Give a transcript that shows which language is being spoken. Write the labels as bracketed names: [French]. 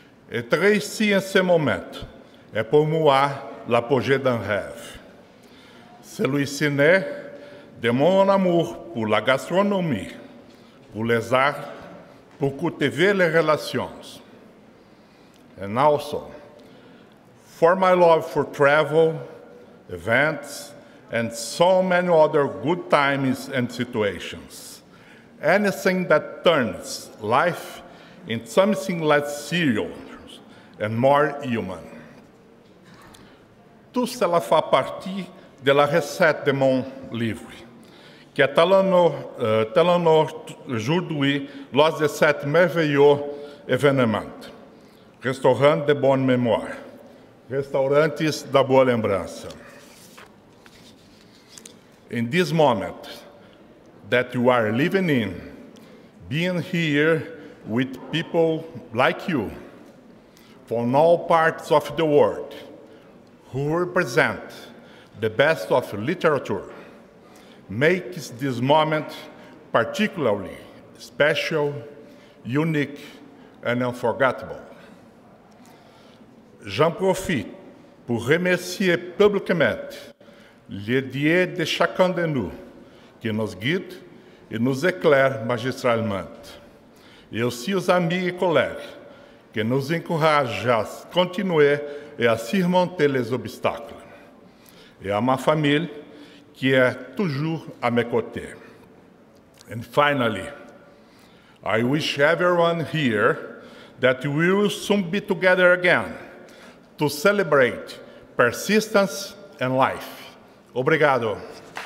[French] Être ici en ce moment est pour moi l'apogée d'un rêve. Celui-ci naît de mon amour pour la gastronomie, pour les arts, pour cultiver les relations. [English] And also, for my love for travel, events, and so many other good times and situations. Anything that turns life into something less serious and more human. [French] Tout cela fait partie de la recette de mon livre, qui est talonneur aujourd'hui lors de cet merveilleux événement. Restaurant de bonne mémoire. [Portuguese] Restaurantes da boa lembrança. [English] In this moment that you are living in, being here with people like you from all parts of the world who represent the best of literature makes this moment particularly special, unique, and unforgettable. [French] J'en profite pour remercier publiquement les dieux de chacun de nous qui nous guide et nous éclaire magistralement. Et aussi aux amis et collègues qui nous encouragent à continuer et à surmonter les obstacles. Et à ma famille qui est toujours à mes côtés. [English] And finally, I wish everyone here that we will soon be together again to celebrate persistence and life. Obrigado.